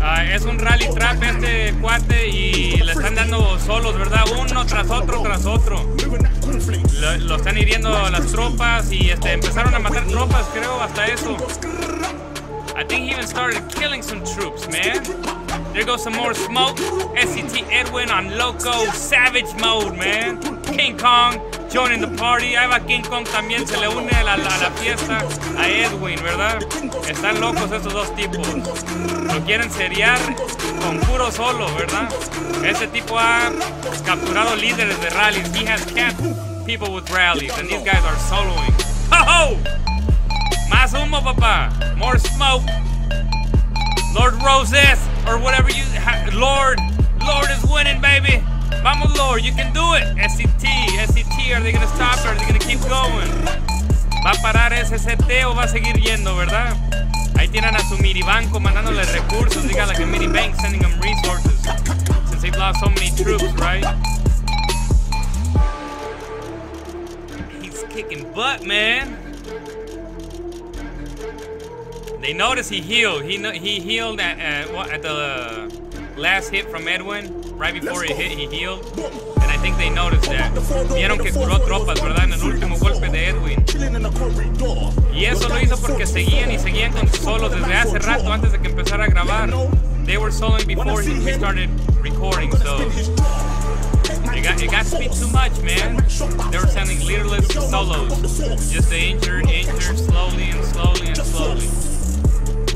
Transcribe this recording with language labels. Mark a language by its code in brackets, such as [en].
[es] Es un rally trap este cuate y le están dando solos, ¿verdad? Uno tras otro, tras otro. Lo están hiriendo las tropas y empezaron a matar tropas, creo, hasta eso. [en] I think he even started killing some troops, man. There goes some more smoke. SCT Edwin on Loco Savage Mode, man. King Kong joining the party. [es] Ahí va King Kong también, se le une a la fiesta a Edwin, ¿verdad? Están locos estos dos tipos. Lo quieren seriar con puro solo, ¿verdad? Este tipo ha capturado líderes de rallies. [en] He has capped people with rallies. And these guys are soloing. ¡Ho-ho! [es] Más humo, papá. [en] More smoke. Lord Roses, or whatever you... Lord is winning, baby. [es] Vamos, Lord. [en] You can do it. SCT. Are they going to stop or are they going to keep going? [es] ¿Va a parar SCT o va a seguir yendo, verdad? Ahí tienen a su minibanco mandándole recursos. [en] They got like a mini bank sending them resources. Since they've lost so many troops, right? He's kicking butt, man. They notice he healed. He healed at the last hit from Edwin. Right before he hit, he healed. And I think they noticed that. [es] Vieron que curó tropas, ¿verdad? En el último golpe de Edwin. Y eso lo hizo porque seguían y seguían con solos desde hace rato, antes de que empezara a grabar. [en] They were soloing before he started recording, so... It got to be too much, man. They were sending leaderless solos. Just the injured, slowly and slowly and slowly.